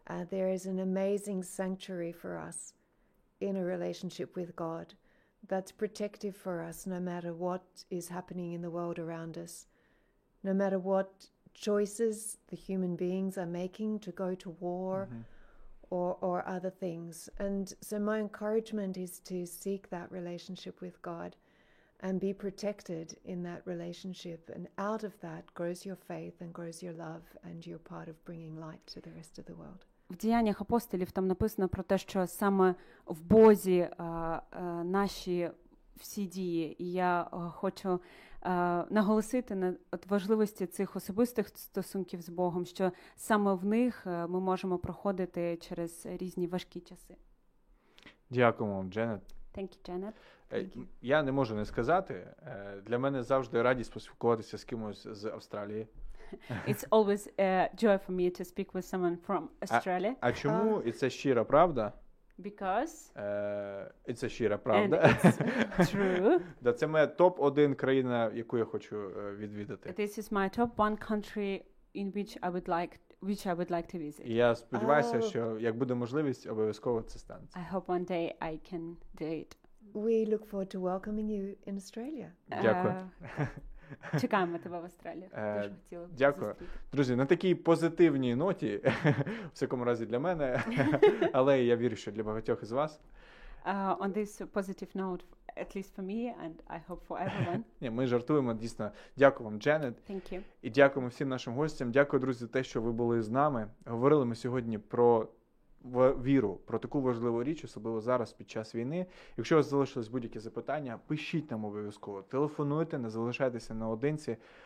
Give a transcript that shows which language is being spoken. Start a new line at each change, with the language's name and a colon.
English: There is an amazing sanctuary for us in a relationship with God that's protective for us no matter what is happening in the world around us, no matter what choices the human beings are making to go to war or other things. And so my encouragement is to seek that relationship with God and be protected in that relationship, and out of that grows your faith and grows your love, and you're part of bringing light to the rest of the world.
Ukrainian: В Діяннях апостолів там написано про те, що саме в Бозі наші всі дії. І я хочу наголосити на важливості цих особистих стосунків з Богом, що саме в них ми можемо проходити через різні важкі часи. Дякуємо, Дженет.
English: Thank you, Janet.
Ukrainian: Я не можу не сказати. Для мене завжди радість поспілкуватися з кимось з Австралії.
English: It's always a joy for me to speak with someone from Australia.
Ukrainian: А чому? І це щира правда.
English: Because? It's a
Ukrainian: щира правда.
English: It's true.
Ukrainian: Да, це моя топ-1 країна, яку я хочу відвідати.
English: This is my top one country in which I would like to visit.
Ukrainian: Я сподіваюся, що як буде можливість, обов'язково це станеться.
English: I hope one day I can do it. we look forward to welcoming you in Australia.
Ukrainian: Дякую. Чекаємо тебе в Австралії. Дуже хотіла б. Дякую. Зустріти. Друзі, на такій позитивній ноті, в всякому разі для мене, але я вірю, що для багатьох із вас.
English: On this positive note, at least for me, and I hope for everyone.
Ukrainian: Ні, ми жартуємо, дійсно. Дякую вам, Дженет.
English: Thank you.
Ukrainian: І дякуємо всім нашим гостям. Дякую, друзі, за те, що ви були з нами. Говорили ми сьогодні про віру, про таку важливу річ, особливо зараз під час війни. Якщо у вас залишились будь-які запитання, пишіть нам обов'язково, телефонуйте, не залишайтеся наодинці.